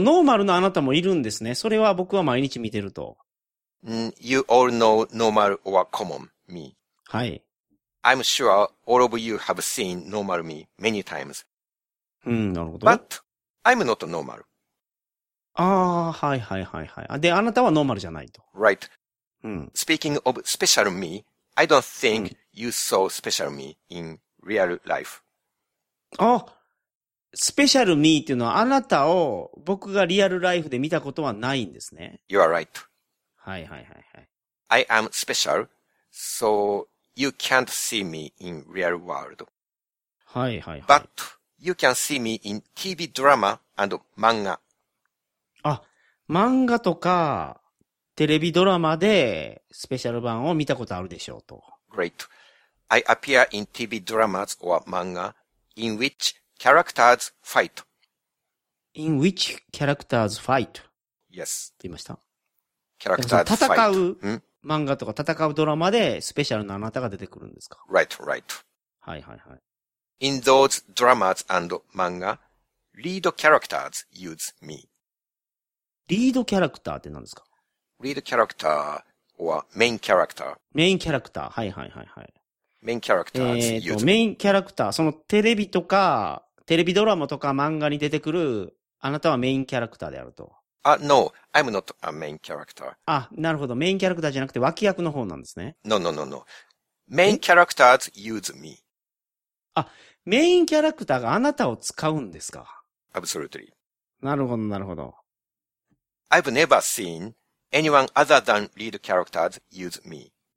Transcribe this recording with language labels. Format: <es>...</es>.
<ja>ノーマルのあなたもいるんですね。それは僕は毎日見てると。</ja> <en>You all know normal or common me. はい。 I'm sure all of you have seen normal me many times.</en> <ja>うん、なるほど。</ja> <en>But, I'm not normal.</en> <ja>ああ、はいはいはいはい。で、あなたはノーマルじゃないと。</ja> <en>Right.、うん、 Speaking of special me, I don't think、うん、you saw special me in real life.</en> <ja>あ、スペシャルミーっていうのはあなたを僕がリアルライフで見たことはないんですね。</ja> <en>You are right. はいはいはいはい。 I am special, so you can't see me in real world. はいはいはい。 But you can see me in TV drama and manga.</en> <ja>あ、漫画とかテレビドラマでスペシャル版を見たことあるでしょうと。</ja> <en>Great. I appear in TV dramas or manga in whichcharacters fight. In which characters fight? Yes.</en> <ja>と言いました。</ja> <en>characters fight.</en> <ja>戦う漫画とか戦うドラマでスペシャルなあなたが出てくるんですか？</ja> <en>Right, right. はいはいはい。 In those dramas and manga, lead characters use me.</en> <ja>Lead character って何ですか？</ja> <en>Lead character or main character. Main character. はいはいはいはい。</en> <ja>メインキャラクター、メインキャラクター、そのテレビとか、テレビドラマとか漫画に出てくる、あなたはメインキャラクターであると。</ja> <en>あ、no, I'm not a main character.</en> <ja>あ、なるほど。メインキャラクターじゃなくて脇役の方なんですね。</ja> <en>no, no, no, no. メインキャラクターズ use me.</en> <ja>あ、メインキャラクターがあなたを使うんですか。</ja> <en>absolutely.</en> <ja>なるほど、なるほど。</ja> <en>I've never seen anyone other than lead characters use me.</en>